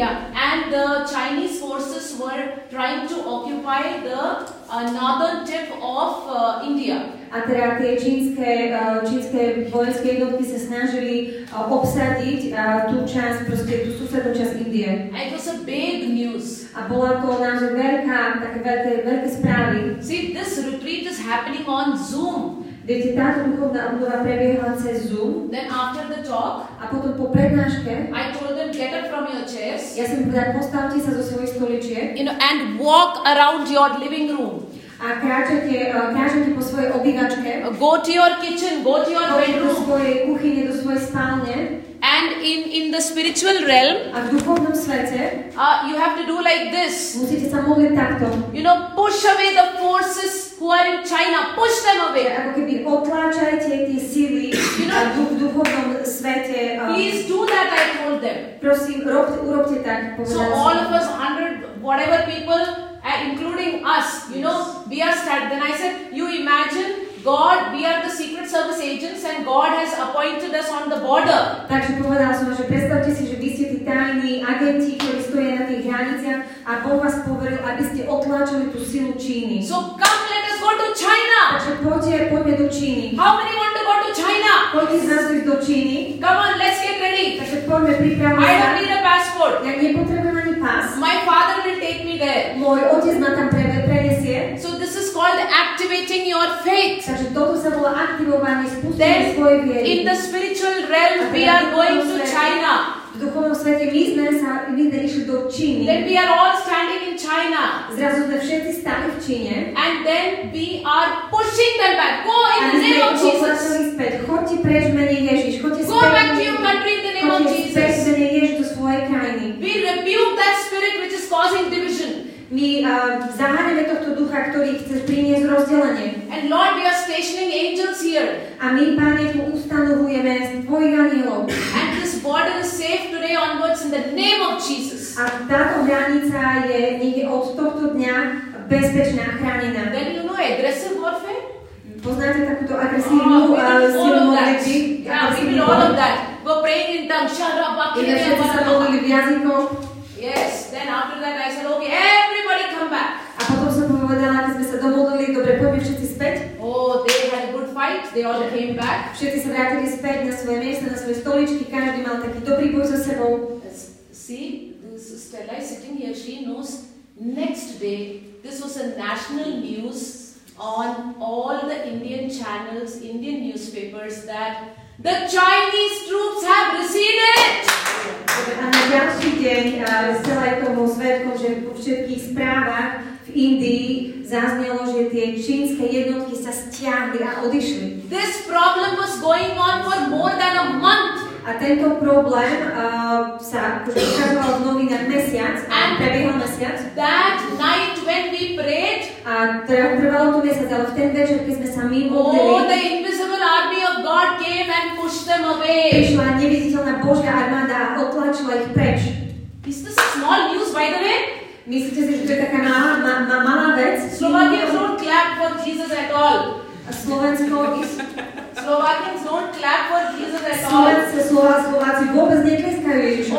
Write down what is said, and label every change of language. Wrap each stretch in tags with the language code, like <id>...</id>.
<en>Yeah, and the Chinese forces were trying to occupy the northern tip of India.</en> <sk>A teda tie čínske vojenské jednotky sa snažili obsadiť tú časť, proste tú susednú časť Indie.</sk> <en>It was a big news.</en> <sk>A bola to naozaj veľká, také veľké správy.</sk> <en>See, this retreat is happening on Zoom.</en> <sk>Viete, táto duchovná obnova prebiehala cez Zoom.</sk> <en>Then after the talk,</en> <sk>a potom po prednáške,</sk> <en>I told them, get up from your chairs.</en> <sk>Ja som povedala, postavte sa zo svojich stoličiek.</sk> <en>You know, and walk around your living room.</en> <sk>A kráčate po svojej obývačke.</sk> <en>Go to your kitchen, go to your bedroom.</en> <sk>Do svojej kuchyne, do svojej spálne.</sk> <en>And in the spiritual realm, you have to do like this. You know, push away the forces who are in China. Push them away. You know, please do that, I told them. So all of us, 100, whatever people, including us, you know, we are started. Then I said, you imagine, God, we are the secret service agents and God has appointed us on the border.</en> <sk>Takže povedala som, že predstavte si, že vy ste tí tajní agenti, ktorí stojí na tých hraniciach a Boh vás poveril, aby ste otláčali tú silu Číny.</sk> <en>So come, let us go to China.</en> <sk>Takže poďme do Číny.</sk> <en>How many want to go to China?</en> <sk>Poďte z nás do Číny.</sk> <en>Come on, let's get ready.</en> <sk>Takže poďme pripravať.</sk> <en>I don't need a passport.</en> <sk>Ja nepotrebujem ani pas.</sk> <en>My father will take me there.</en> <sk>Môj otec ma tam prenesie.</sk> <en>So this is called activating your faith.</en> <sk>Takže toto sa volá aktivovanie, spustenie svojej viery.</sk> <en>In the spiritual realm, we are going to China.</en> <sk>V duchovnom svete my sme sa išli do Číny.</sk> <en>Then we are all standing in China.</en> <sk>Zrazu sme všetci stali v Číne.</sk> <en>And then we are pushing them back. Go in the name of Jesus.</en> <sk>A my sme chodte preč menej Ježiš. Chodte späť.</sk> <en>Go back to your country in the name of Jesus.</en> <sk>Chodte späť menej Ježiš do svojej krajiny.</sk> <en>We rebuke that spirit which is causing division.</en> <sk>My zaháňame tohto ducha, ktorý chce priniesť rozdelenie.</sk> <en>And Lord, we are stationing angels here.</en> <sk>A my, Pane, tu ustanovujeme tvojich anjelov.</sk> <en>And this border is safe today onwards in the name of Jesus.</en> <sk>A táto hranica je niekde od tohto dňa bezpečná, chránená.</sk> <en>Then you know aggressive warfare?</en> <sk>Poznáte takúto agresívnu silu modlitby?</sk> <en>Yeah, we need all of that. We're praying in tongues. Shara, bakke, bakke, bakke, bakke, bakke. Yes, then after that I said, okay, everybody come back.</en> <sk>A potom som povedala, keď sme sa domodlili, dobre, poďme všetci späť.</sk> <en>Oh, they had a good fight, they all came back.</en> <sk>Všetci sa vrátili späť na svoje miesta, na svoje stoličky, každý mal taký dobrý boj so sebou.</sk> <en>See, this Stella is sitting here, she knows next day, this was a national news on all the Indian channels, Indian newspapers that the Chinese troops have receded.</en> <sk>A na ďalší deň stala aj tomu svedkom, že po všetkých správach v Indii zaznelo, že tie čínske jednotky sa stiahli a odišli.</sk> <en>This problem was going on for more than a month.</en> <sk>A tento problém sa ukazoval v novinách mesiac, prebiehal mesiac.</sk> <en>That night when we prayed,</en> <sk>a trvalo to mesiac, ale v ten večer, keď sme sa my modlili,</sk> <en>God came and pushed them away.</en> <sk>Prišla neviditeľná Božia armáda a otlačila ich preč.</sk> <en>Is this a small news, by the way?</en> <sk>Myslíte si, že to je taká malá vec?</sk> <en>Slovakians don't clap for Jesus at all.</en> <sk>Slováci vôbec netleskajú Ježišovi.</sk>